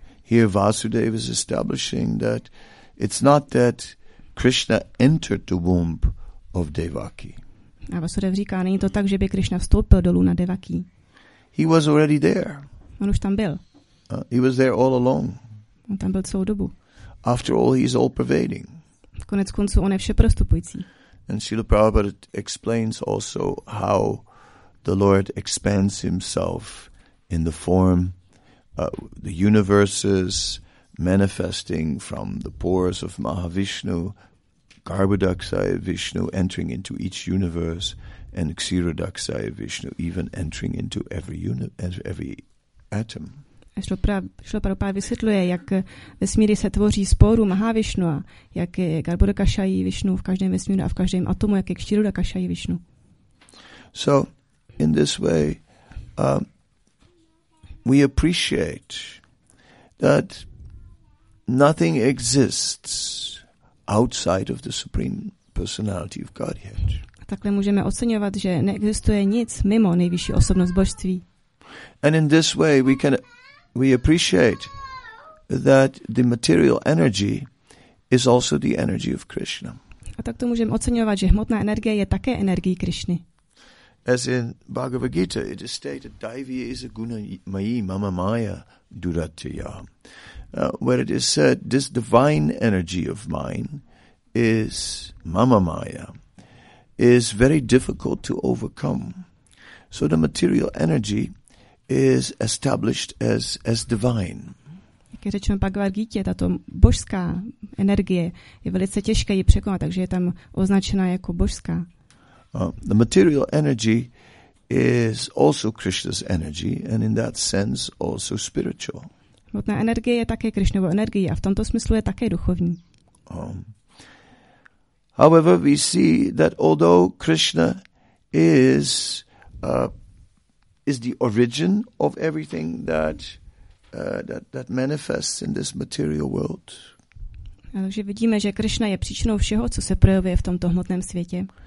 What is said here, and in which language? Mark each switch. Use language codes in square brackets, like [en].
[en] Here Vasudeva is establishing that it's not that Krishna entered the womb of Devaki. [cs] A Vasudev říká, není to tak, že by Krishna vstoupil do luna Devaki. [en] He was already there. [cs] On už tam byl. [en] He was there all along. [cs] On tam byl celou dobu. [en] After all, he is all pervading. [cs] Konec konců, on je všeprostupující. [en] And Srila Prabhupada explains also how the Lord expands himself in the form the universes manifesting from the pores of Mahavishnu, Garbhodakshaya Vishnu entering into each universe, and Kshirodakshaya Vishnu even entering into every atom. [cs] Šlo Prabhupáda vysvětluje, jak vesmíry se tvoří z pórů Mahavishnu a jak je Garbhodakshaya Vishnu v každém vesmíru a v každém atomu, jak je Kshirodakshaya Vishnu. [en] So, in this way, we appreciate that nothing exists outside of the Supreme Personality of Godhead. [cs] Takhle můžeme oceňovat, že neexistuje nic mimo nejvyšší osobnost božství. [en] And in this way we appreciate that the material energy is also the energy of Krishna. [cs] A takto můžeme oceňovat, že hmotná energie je také energie Krishny. [en] As in Bhagavad Gita it is stated [sa] daivi is a guna mayi mama maya duratya. [en] Where it is said, this divine energy of mine is mama maya, is very difficult to overcome. So the material energy is established as divine. [cs] Jak je řečeno Bhagavad Gita, tato božská energie je velice těžká ji překonat, takže je tam označena jako božská. [en] The material energy is also Krishna's energy, and in that sense also spiritual. [cs] Hmotná energie je také Krišnovou energií a v tomto smyslu je také duchovní. [en] However, we see that although Krishna is the origin of everything that manifests in this material world. [cs] Takže vidíme, že Krišna je příčinou všeho, co se projevuje v tomto hmotném světě.